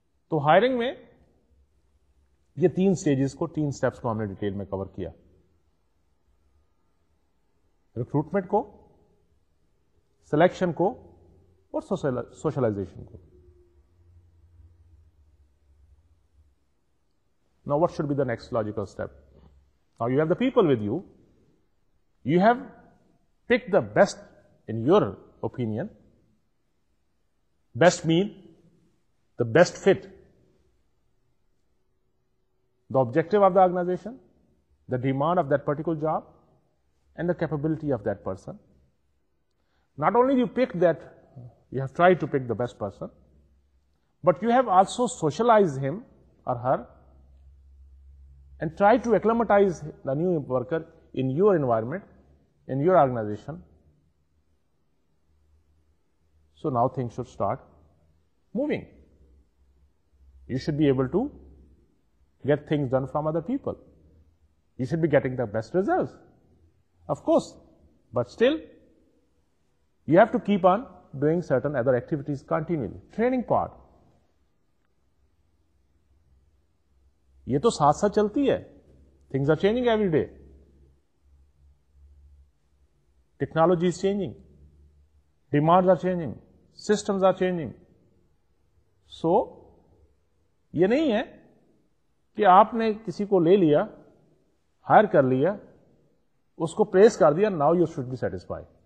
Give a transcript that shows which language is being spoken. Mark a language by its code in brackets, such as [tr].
[ur] تو ہائرنگ میں یہ تین سٹیجز کو, تین سٹیپس کو ہم نے ڈیٹیل میں کور کیا, ریکروٹمنٹ کو, سلیکشن کو, اور سوشلائزیشن کو. [en] Now, what should be the next logical step? Now, you have the people with you. You have picked the best, in your opinion, best mean, the best fit, the objective of the organization, the demand of that particular job, and the capability of that person. Not only you pick that, you have tried to pick the best person, but you have also socialized him or her, and try to acclimatize the new worker in your environment, in your organization. So now things should start moving. You should be able to get things done from other people. You should be getting the best results, of course. But still, you have to keep on doing certain other activities continually. Training part. [ur] یہ تو ساتھ ساتھ چلتی ہے. [en] Things are changing every day. Technology is changing. Demands are changing. Systems are changing. [ur] So, یہ نہیں ہے کہ آپ نے کسی کو لے لیا, ہائر کر لیا, اس کو پریس کر دیا, [en] Now you should be satisfy.